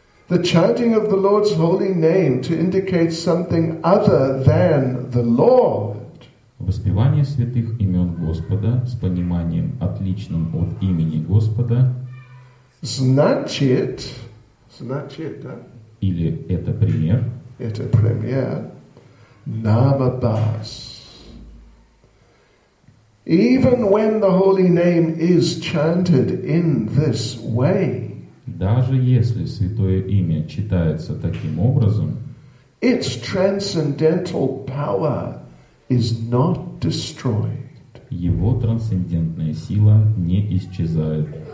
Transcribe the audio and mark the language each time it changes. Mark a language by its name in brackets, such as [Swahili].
[English] The chanting of the Lord's holy name to indicate something other than the Lord. [Russian] Воспевание святых имен Господа с пониманием отличным от имени Господа. Значит, да? Или это пример? Это пример. Namabas. [English] Even when the holy name is chanted in this way, [Russian] даже если святое имя читается таким образом, [English] its transcendental power is not destroyed. [Russian] Его трансцендентная сила не исчезает.